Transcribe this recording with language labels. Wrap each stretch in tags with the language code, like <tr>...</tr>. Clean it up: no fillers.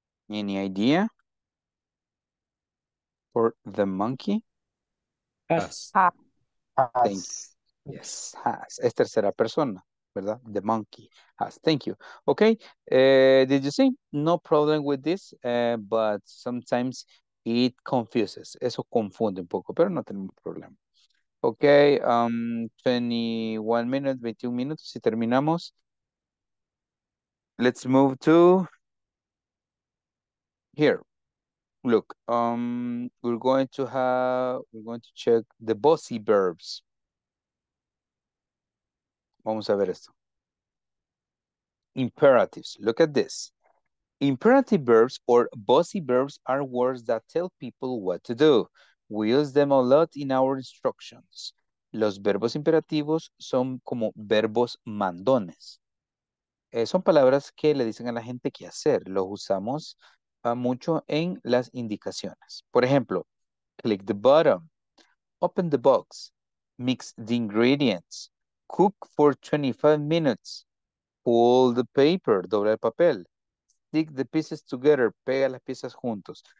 <en>Any idea for the monkey? Has. Thank you. Yes, has.</en> <es>Es tercera persona, ¿verdad?</es> <en>The monkey has. Thank you. Okay. Did you see? No problem with this, but sometimes it confuses.</en> <es>Eso confunde un poco, pero no tenemos problema.</es> <en>Okay. 21 minutes,</en> <es>21 minutos. Si terminamos,</es> <en>let's move to... Here, look, we're going to check the bossy verbs.</en> <es>Vamos a ver esto.</es> <en>Imperatives, look at this. Imperative verbs or bossy verbs are words that tell people what to do. We use them a lot in our instructions.</en> <es>Los verbos imperativos son como verbos mandones. Son palabras que le dicen a la gente qué hacer. Los usamos mucho en las indicaciones. Por ejemplo,</es> <en>click the button, open the box, mix the ingredients, cook for 25 minutes, pull the paper,</en> <es>dobla el papel,</es> <en>stick the pieces together,</en> <es>pega las piezas juntos.</es>